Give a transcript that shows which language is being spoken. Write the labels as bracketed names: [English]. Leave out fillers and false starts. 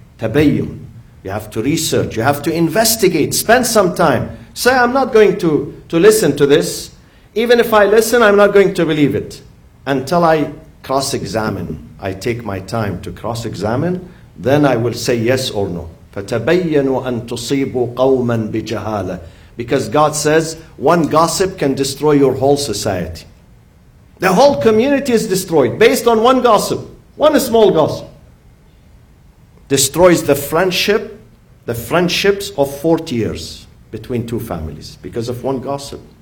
[Arabic] تبين. [English] You have to research. You have to investigate. Spend some time. Say, I'm not going to listen to this. Even if I listen, I'm not going to believe it. Until I cross-examine. I take my time to cross-examine. Then I will say yes or no. [Arabic] فتبينوا أن تصيبوا قوما بجهالة. [English] Because God says, one gossip can destroy your whole society. The whole community is destroyed based on one gossip. One small gossip. Destroys the friendships of 40 years between two families because of one gossip.